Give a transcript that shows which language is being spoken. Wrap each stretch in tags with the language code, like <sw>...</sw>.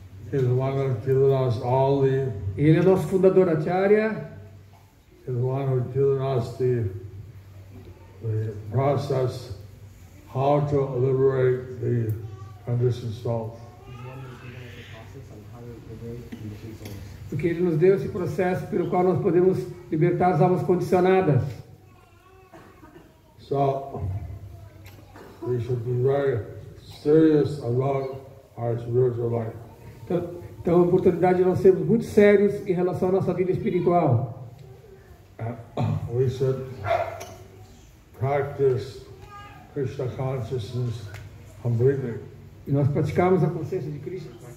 <en>He's the one who given us all the.</en> <pt>Ele é nosso fundador acharya.</pt> <en>He's the one who given us the process how to liberate the conditioned souls.</en> <pt>Porque ele nos deu esse processo pelo qual nós podemos libertar as almas condicionadas.</pt> <en>So, we should be very serious about our spiritual life.</en> <pt>Então, a oportunidade de nós sermos muito sérios em relação à nossa vida espiritual.</pt> <en>We should practice Krishna consciousness completely.</en> <pt>E nós praticamos a consciência de Krishna.</pt>